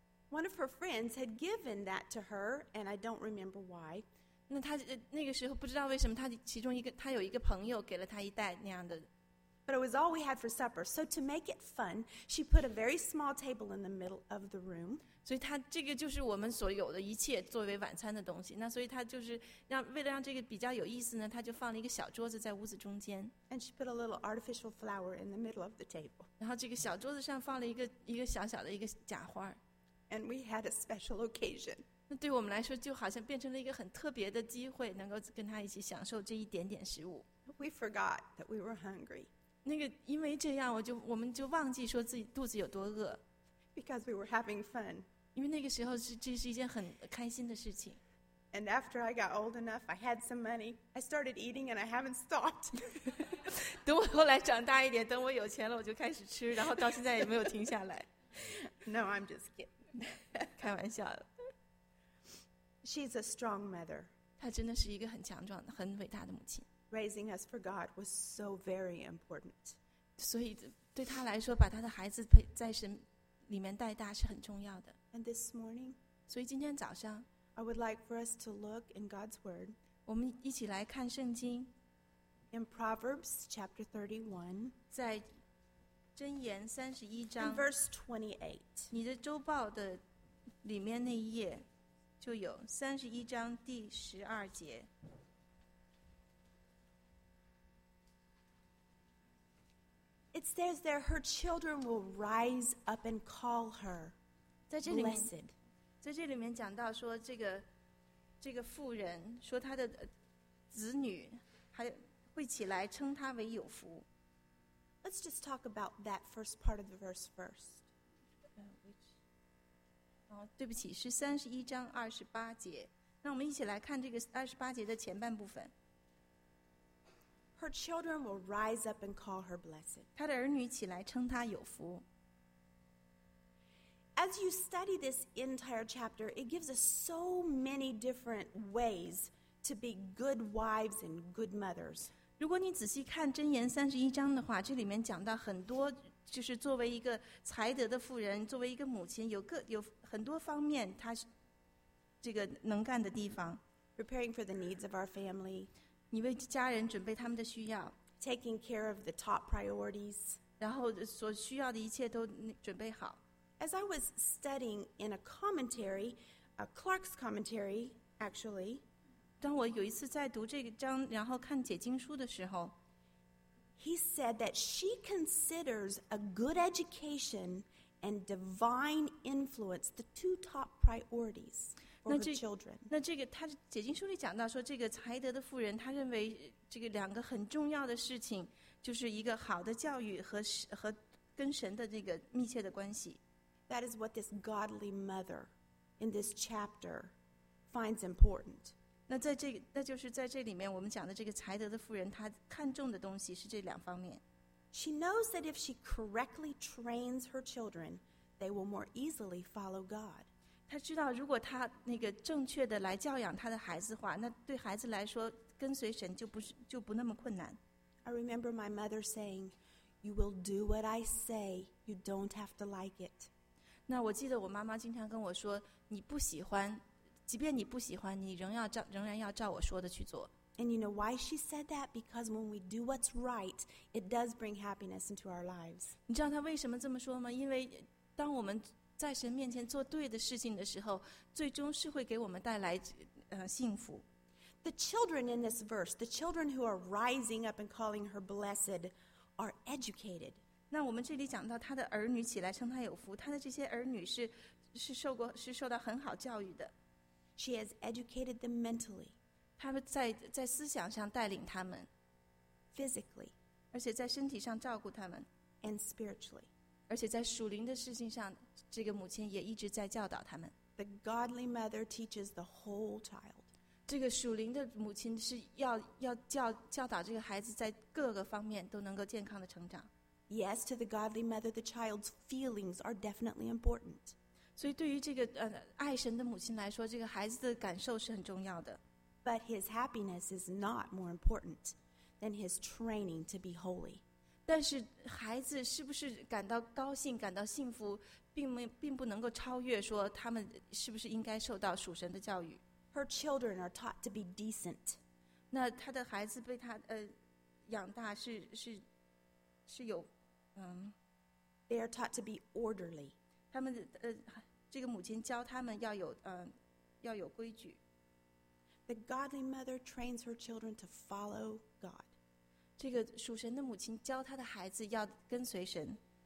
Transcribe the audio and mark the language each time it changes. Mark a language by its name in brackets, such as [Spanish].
[English] One of her friends had given that to her, and I don't remember why. [Chinese] 那她那个时候不知道为什么，她其中一个她有一个朋友给了她一袋那样的。 [English] But it was all we had for supper. So to make it fun, she put a very small table in the middle of the room. [Chinese] 所以她这个就是我们所有的一切作为晚餐的东西。那所以她就是为了让这个比较有意思呢，她就放了一个小桌子在屋子中间。 [English] And she put a little artificial flower in the middle of the table. [Chinese] 然后这个小桌子上放了一个小小的一个假花。 [English] And we had a special occasion. [Chinese] 那对我们来说就好像变成了一个很特别的机会，能够跟她一起享受这一点点食物。 [English] We forgot that we were hungry. [Chinese] 那个，因为这样，我们就忘记说自己肚子有多饿。 [English] Because we were having fun. [Chinese] 因为那个时候这是一件很开心的事情。 [English] And after I got old enough, I had some money. I started eating, and I haven't stopped. [Chinese] 等我后来长大一点，等我有钱了，我就开始吃，然后到现在也没有停下来。 [English] No, I'm just kidding. [Chinese] 开玩笑的。 [English] She's a strong mother. [Chinese] 她真的是一个很强壮的、很伟大的母亲。 [English] Raising us for God was so very important. [Chinese] 所以对她来说，把她的孩子陪在神里面带大是很重要的。 [English] And this morning, [Chinese] 所以今天早上 [English] I would like for us to look in God's Word. [Chinese] 我们一起来看圣经。 [English] In Proverbs chapter 31, [Chinese] 在箴言三十一章 [English] in verse 28, [Chinese] 你的周报的里面那一页就有三十一章第十二节。 [English] It says there, her children will rise up and call her blessed. [Chinese] 在这里面讲到说这个妇人说她的子女还会起来称她为有福。 [English] Let's just talk about that first part of the verse first. [Chinese] 对不起，是三十一章二十八节。那我们一起来看这个二十八节的前半部分。 [English] Her children will rise up and call her blessed. [Chinese] 她的儿女起来称她有福。 [English] As you study this entire chapter, it gives us so many different ways to be good wives and good mothers. [Chinese] 如果你仔细看箴言三十一章的话，这里面讲到很多，就是作为一个才德的妇人，作为一个母亲，有很多方面她这个能干的地方。 [English] Preparing for the needs of our family. [Chinese] 你为家人准备他们的需要 [English] ，taking care of the top priorities， [Chinese] 然后所需要的一切都准备好。 [English] As I was studying in a commentary, a Clark's commentary, actually， [Chinese] 当我有一次在读这个章，然后看解经书的时候 [English] ，He said that she considers a good education and divine influence the two top priorities. [Chinese] 那这个他解经书里讲到说这个才德的妇人他认为这个两个很重要的事情就是一个好的教育 和跟神的这个密切的关系 [English] That is what this godly mother in this chapter finds important [Chinese] 那就是在这里面我们讲的这个才德的妇人他看重的东西是这两方面 [English] She knows that if she correctly trains her children they will more easily follow God [Chinese] 他知道，如果他那个正确的来教养他的孩子的话，那对孩子来说，跟随神就不那么困难。 [English] I remember my mother saying, "You will do what I say. You don't have to like it." [Chinese] 那我记得我妈妈经常跟我说，你不喜欢，即便你不喜欢，你仍然要照我说的去做。 [English] And you know why she said that? Because when we do what's right, it does bring happiness into our lives. [Chinese] 你知道她为什么这么说吗？因为当我们在神面前做对的事情的时候，最终是会给我们带来幸福。 [English] The children in this verse, the children who are rising up and calling her blessed, are educated. [Chinese] 那我们这里讲到她的儿女起来称她有福，她的这些儿女是受到很好教育的。 [English] She has educated them mentally. [Chinese] 她们在思想上带领他们 [English] ，physically， [Chinese] 而且在身体上照顾他们 [English] ，and spiritually。 [Chinese] 而且在属灵的事情上，这个母亲也一直在教导他们。 [English] The godly mother teaches the whole child. [Chinese] 这个属灵的母亲是要教导这个孩子在各个方面都能够健康的成长。 [English] Yes, to the godly mother, the child's feelings are definitely important. [Chinese] 所以对于这个爱神的母亲来说，这个孩子的感受是很重要的。 [English] But his happiness is not more important than his training to be holy. [Chinese] 但是孩子是不是感到高兴感到幸福并不能够超越说他们是不是应该受到属神的教育 [English] Her children are taught to be decent [Chinese] 那他的孩子被他养大是有 [English] They are taught to be orderly [Chinese] 他们这个母亲教他们要有规矩 [English] The godly mother trains her children to follow God [Chinese] 这个属神的母亲教她的孩子要跟随神。